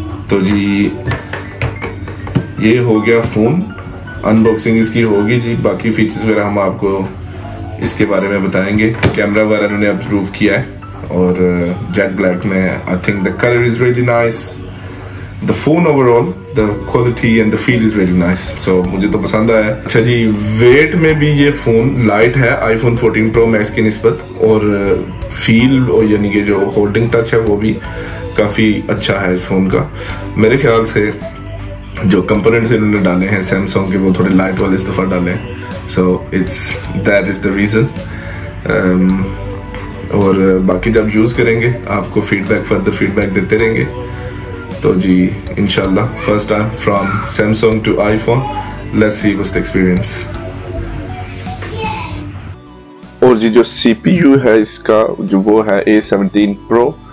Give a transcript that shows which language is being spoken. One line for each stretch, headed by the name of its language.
Hindi: तो जी ये हो गया फोन, अनबॉक्सिंग इसकी होगी जी, बाकी फीचर्स वगैरह हम आपको इसके बारे में बताएंगे। कैमरा वगैरह उन्होंने अप्रूव किया है और जेट ब्लैक में,
English: I think the colour is really nice. the phone overall, the quality and the feel is really nice.
Hindi: So मुझे तो पसंद आया. अच्छा जी, weight में भी ये phone light है iPhone 14 Pro Max की निस्बत, और feel और यानी कि जो holding touch है वो भी काफी अच्छा है इस phone का. मेरे ख्याल से जो components इन्होंने डाले हैं Samsung के, वो थोड़े light वाले इस दफा डाले हैं.
English: So it's that is the reason.
Hindi: और बाकी जब यूज़ करेंगे आपको फीडबैक, फर्दर फीडबैक देते रहेंगे. तो जी इंशाल्लाह,
English: First time from Samsung to iPhone, let's see what's the experience.
Hindi: और जी जो सीपीयू है इसका, जो वो है A17 प्रो.